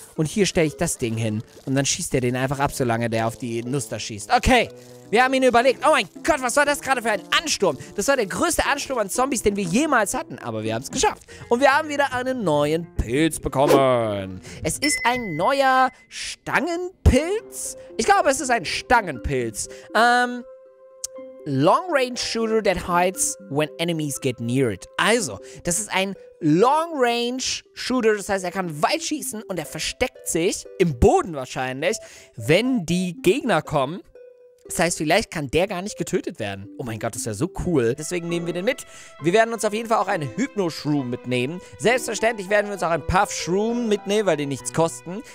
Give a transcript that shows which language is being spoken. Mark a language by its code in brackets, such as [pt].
[de] Und hier stelle ich das Ding hin. Und dann schießt der den einfach ab, solange der auf die Nuss da schießt. Okay. Wir haben ihn überlegt. Oh mein Gott, was war das gerade für ein Ansturm? Das war der größte Ansturm an Zombies, den wir jemals hatten. Aber wir haben es geschafft. Und wir haben wieder einen neuen Pilz bekommen. Es ist ein neuer Stangenpilz. Ich glaube, es ist ein Stangenpilz. [en] Long-range shooter that hides when enemies get near it. [de] Also, das ist ein Long-range shooter. Das heißt, er kann weit schießen und er versteckt sich im Boden wahrscheinlich, wenn die Gegner kommen. Das heißt, vielleicht kann der gar nicht getötet werden. Oh mein Gott, das ist ja so cool. Deswegen nehmen wir den mit. Wir werden uns auf jeden Fall auch einen Hypno-Shroom mitnehmen. Selbstverständlich werden wir uns auch einen Puff-Shroom mitnehmen, weil die nichts kosten.